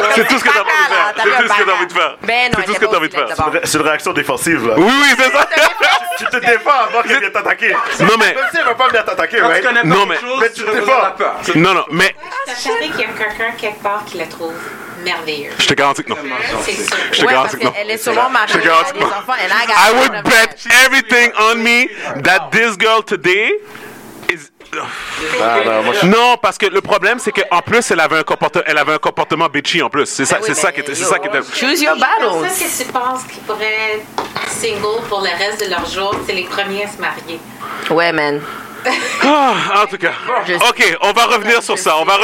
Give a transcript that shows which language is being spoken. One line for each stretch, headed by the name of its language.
French: C'est tout ce que t'as envie de faire. C'est une réaction défensive, là. Oui, oui, c'est ça. Tu te défends avant qu'elle vienne t'attaquer. Non, mais. Même si elle veut pas venir t'attaquer, ouais. Non, mais. Mais tu te défends. Non, non, mais. Sachez qu'il y a quelqu'un quelque part qui la trouve. Merveilleux. Je te garantis que non. Je te garantis que non. Elle est souvent mariée. Je te garantis que non.
English: I would bet everything on me that this girl today is.
French: Non, parce que le problème, c'est qu'en plus, elle avait un comportement bitchy en plus. C'est ça qui était.
English: Choose your battles.
French: Les personnes qui se pensent qu'ils pourraient être single pour le reste de leur jour, c'est les premiers à se marier. Ouais, man. Ah, en tout cas, OK, on va revenir sur ça.